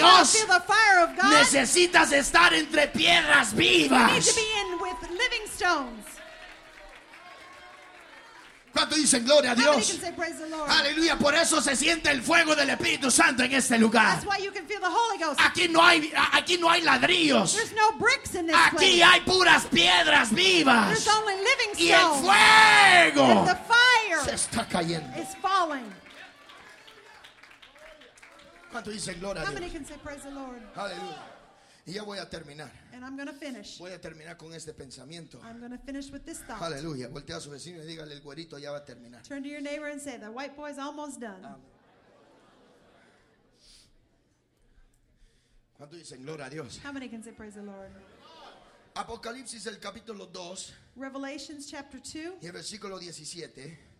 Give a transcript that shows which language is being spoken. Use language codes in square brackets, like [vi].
[en] you want to feel the fire of God, [es] necesitas estar entre piedras vivas. [en] You need to be in with living stones. [es] ¿Cuánto dicen gloria a Dios? [en] How many can say praise the Lord? [es] Aleluya, por eso se siente el fuego del Espíritu Santo en este lugar. [en] That's why you can feel the Holy Ghost. [es] Aquí no hay ladrillos. [en] There's no bricks in this [es] aquí [en] place. [es] Hay puras piedras vivas. [en] There's only living stones. [es] Y el fuego [en] the fire [es] se está cayendo. [en] Is falling. [es] ¿Cuánto dicen gloria a Dios? [en] How many can say praise the Lord? [es] Aleluya. Y ya voy a terminar. [en] And I'm going to finish. [es] Voy a terminar con este pensamiento. [en] I'm going to finish with this thought. [es] Aleluya. Voltea a su vecino y dígale, el güerito ya va a terminar. [en] Turn to your neighbor and say, the white boy's almost done. [es] ¿Cuánto dicen gloria a Dios? [en] How many can say praise the Lord? [es] Apocalipsis el capítulo 2. [en] Revelation chapter 2. [es] Y el versículo 17.